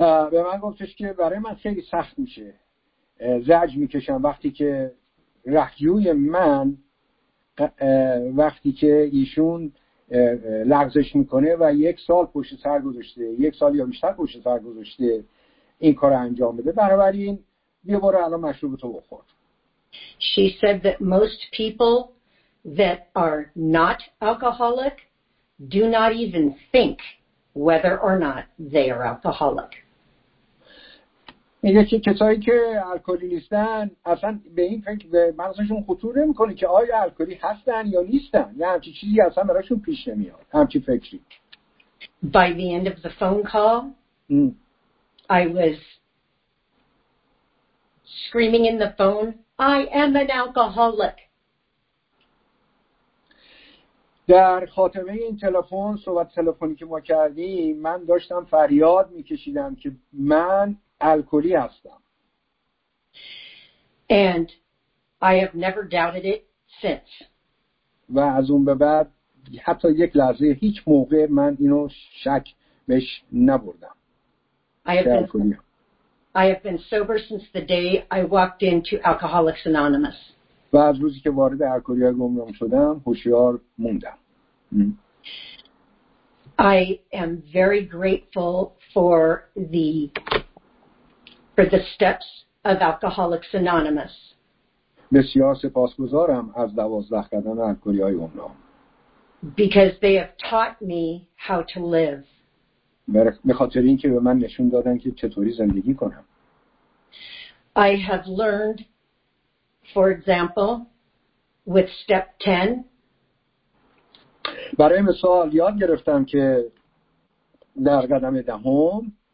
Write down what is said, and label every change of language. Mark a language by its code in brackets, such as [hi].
[fa] به من گفتش که برای من خیلی سخت میشه. زج میکشم وقتی که رهجوی من وقتی که ایشون لغزش میکنه و یک سال پشت سر گذاشته یک سال یا بیشتر پشت سر گذاشته این کار انجام بده بنابراین بیا برو الان مشروب تو بخور. [en] She said that most people that are not alcoholic do not even think whether or not they are alcoholic. [fa] میگه که کسایی که الکلی نیستن اصلا به این فکر به مغزشون خطور نمی کنه که آیا الکلی هستن یا نیستن یا همچی چیزی اصلا براشون پیش نمیاد همچی فکری. [en] By the end of the phone call I was screaming in the phone I am an alcoholic. [fa] در خاتمه این تلفن صحبت تلفنی که ما کردیم من داشتم فریاد میکشیدم که من الکلی هستم. [en] And I have never doubted it since. [fa] و از اون به بعد حتی یک لحظه هیچ موقع من اینو شک بهش نبردم. [en] I have been sober since the day I walked into Alcoholics Anonymous. [fa] و از روزی که وارد الکلی گمنام شدم هوشیار موندم. [en] I am very grateful for the steps of Alcoholics Anonymous. [fa] بسیار سپاسگزارم از 12 قدم الکلی‌های عمرم. [en] Because they have taught me how to live. [fa] به خاطر اینکه به من نشون دادن که چطوری زندگی کنم. [en] I have learned, for example, with step 10. [fa] برای مثال یاد گرفتم که در قدم دهم